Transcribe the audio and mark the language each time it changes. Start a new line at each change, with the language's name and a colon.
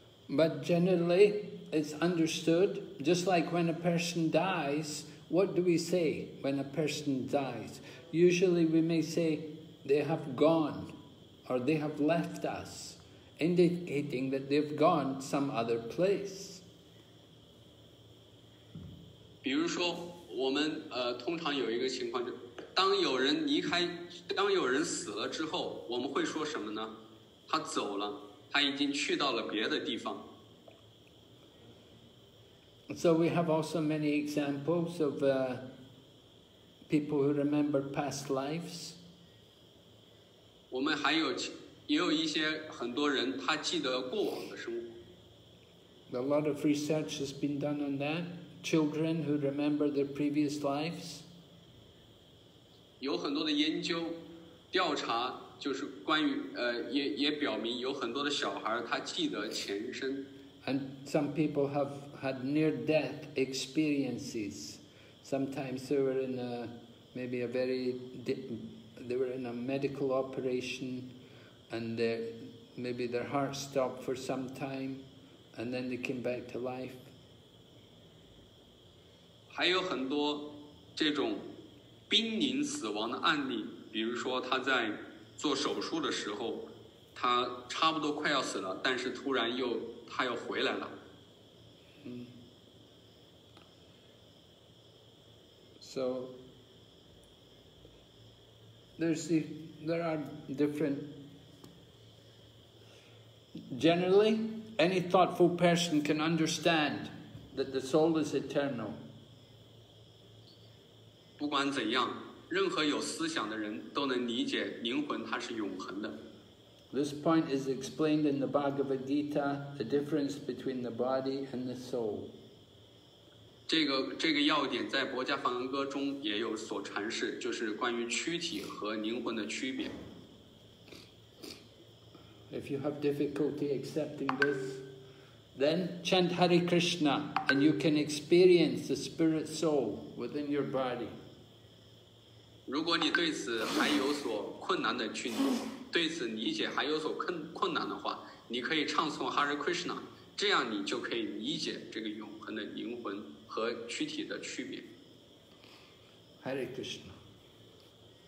English: But generally, it's understood, just like when a person dies, what do we say when a person dies? Usually we may say, they have gone, or they have left us, indicating that they've gone some other place.
Chinese: 比如说我们通常有一个情况就当有人死了之后，我们会说什么呢？他走了，他已经去到了别的地方。
English: So we have also many examples of people who remember past lives.
Chinese: 我们还有也有一些很多人他记得过往的生活。
English: A lot of research has been done on that. Children who remember their previous lives.
Chinese: 有很多的研究调查就是关于也表明有很多的小孩他记得前生。
English: And some people have had near-death experiences. Sometimes they were in they were in a medical operation and maybe their heart stopped for some time and then they came back to life.
Chinese: 还有很多这种濒临死亡的案例，比如说他在做手术的时候，他差不多快要死了，但是突然又他又回来了。
English: So there are different. Generally, any thoughtful person can understand that the soul is eternal.
Chinese: 不管怎样，任何有思想的人都能理解灵魂它是永恒的。
English: This point is explained in the Bhagavad Gita, the difference between the body and the soul.
Chinese: 这个要点在《薄伽梵歌》中也有所阐释，就是关于躯体和灵魂的区别。
English: If you have difficulty accepting this, then chant Hare Krishna, and you can experience the spirit soul within your body.
Chinese: 如果你对此还有所困难的去对此理解还有所困难的话，你可以唱诵 Hare Krishna， 这样你就可以理解这个永恒的灵魂和躯体的区别。
Sanskrit: Hare Krishna，